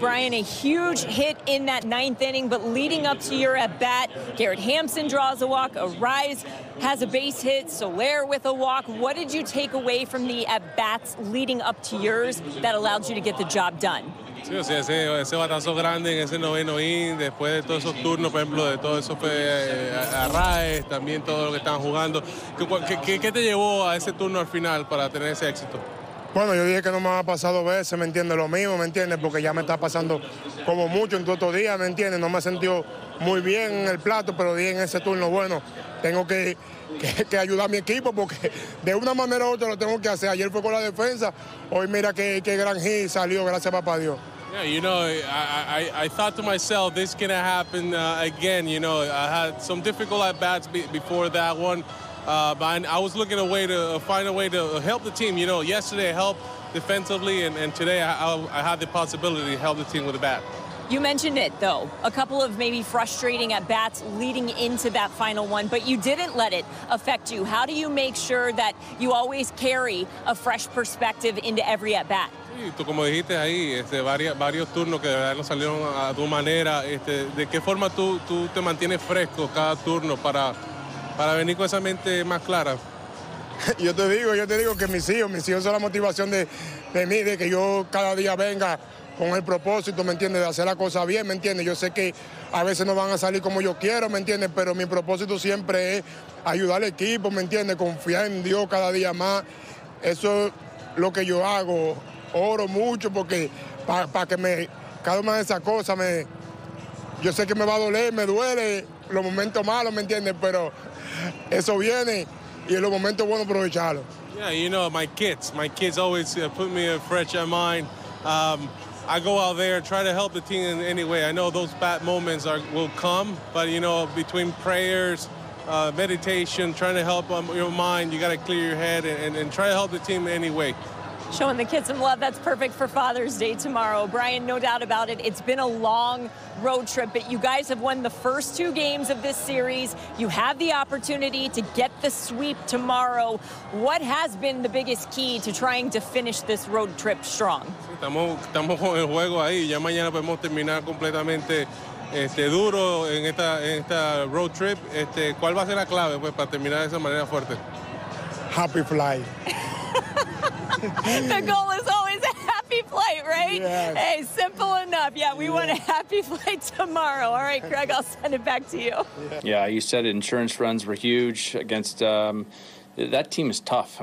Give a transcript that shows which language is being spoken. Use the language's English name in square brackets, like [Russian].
[English] Bryan, a huge hit in that ninth inning, but leading up to your at-bat, Garrett Hampson draws a walk, Arise has a base hit, Soler with a walk. What did you take away from the at-bats leading up to yours that allowed you to get the job done? [Spanish] Sí, o sea, ese batazo grande en ese noveno inning, después de todos esos turnos, por ejemplo, de todo eso fue Arraez, también todo lo que estaban jugando. ¿Qué te llevó a ese turno al final para tener ese éxito? Bueno, yo dije que no me va a pasar dos veces, ¿me entiendes? Lo mismo, ¿me entiendes? Porque ya me está pasando como mucho en todos estos días, ¿me entiendes? No me he sentido muy bien en el plato, pero dije en ese turno, bueno, tengo que ayudar a mi equipo porque de una manera u otra lo tengo que hacer. Ayer fue con la defensa, hoy mira qué gran hit salió, gracias a papá Dios. [English] Yeah, you know, I thought to myself, this can happen again, you know. I had some difficult at-bats before that one. But I was looking to find a way to help the team. You know, yesterday I helped defensively, and today I had the possibility to help the team with a bat. You mentioned it, though, a couple of maybe frustrating at-bats leading into that final one, but you didn't let it affect you. How do you make sure that you always carry a fresh perspective into every at-bat? [Spanish] Tú como dijiste ahí, varios turnos que de verdad no salieron a tu manera. ¿De qué forma tú te mantienes fresco cada turno para venir con esa mente más clara? Yo te digo que mis hijos son la motivación de mí, de que yo cada día venga con el propósito, ¿me entiendes?, de hacer la cosa bien, ¿me entiendes? Yo sé que a veces no van a salir como yo quiero, ¿me entiendes?, pero mi propósito siempre es ayudar al equipo, ¿me entiendes?, confiar en Dios cada día más. Eso es lo que yo hago. Oro mucho porque para que me cada una de esas cosas me yo sé que me va a doler, me duele los momentos malos, ¿me entiendes?, pero eso viene y en los momentos buenos aprovecharlo. [English] Yeah, you know, my kids always put me in fresh in mind. I go out there, try to help the team in any way. I know those bad moments will come, but you know, between prayers, meditation, trying to help your mind, you got to clear your head and try to help the team in any way. Showing the kids some love, that's perfect for Father's Day tomorrow. Bryan, no doubt about it, it's been a long road trip, but you guys have won the first two games of this series. You have the opportunity to get the sweep tomorrow. What has been the biggest key to trying to finish this road trip strong? [Spanish] Estamos con el juego ahí. Ya mañana podemos terminar completamente duro en esta road trip. ¿Cuál va a ser la clave pues para terminar de esa manera fuerte? [English] Happy fly. The goal is always a happy flight, right? Yes. Hey, simple enough. Yeah, we want a happy flight tomorrow. All right, Craig, I'll send it back to you. Yeah, you said insurance runs were huge against that team is tough.